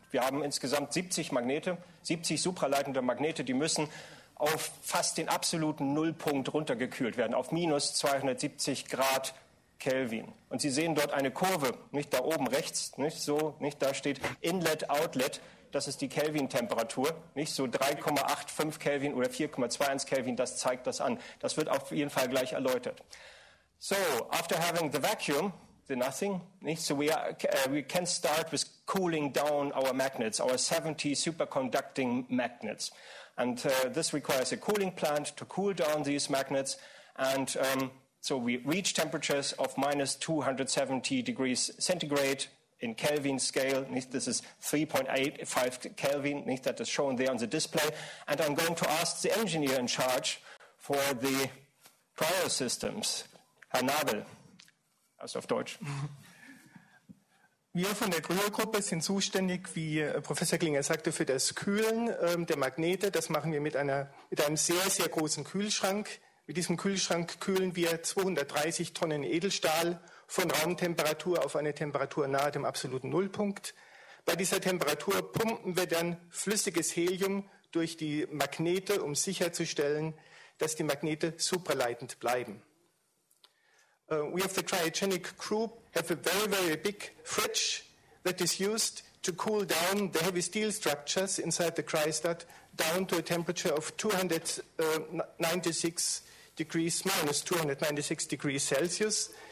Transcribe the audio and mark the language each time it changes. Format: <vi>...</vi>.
<de>Wir haben insgesamt 70 Magnete, 70 supraleitende Magnete, die müssen auf fast den absoluten Nullpunkt runtergekühlt werden, auf minus 270 Grad Kelvin. Und Sie sehen dort eine Kurve, nicht da oben rechts, nicht so, nicht da steht Inlet, Outlet, das ist die Kelvin-Temperatur, nicht so 3,85 Kelvin oder 4,21 Kelvin, das zeigt das an. Das wird auf jeden Fall gleich erläutert.</de> <en>So, after having the vacuum, the nothing,</en> <de>nicht so</de> <en>we can start with cooling down our magnets, our 70 superconducting magnets. And this requires a cooling plant to cool down these magnets and so we reach temperatures of minus 270 degrees centigrade in Kelvin scale. This is 3.85 Kelvin, that is shown there on the display. And I'm going to ask the engineer in charge for the cryo systems, Herr Nabel,</en> <de>also auf Deutsch. Wir von der Gruner-Gruppe sind zuständig, wie Professor Klinger sagte, für das Kühlen der Magnete. Das machen wir mit einem sehr, sehr großen Kühlschrank. Mit diesem Kühlschrank kühlen wir 230 Tonnen Edelstahl von Raumtemperatur auf eine Temperatur nahe dem absoluten Nullpunkt. Bei dieser Temperatur pumpen wir dann flüssiges Helium durch die Magnete, um sicherzustellen, dass die Magnete supraleitend bleiben.</de> <en>We have the cryogenic group have a very, very big fridge that is used to cool down the heavy steel structures inside the cryostat down to a temperature of 296 degrees Celsius.</en>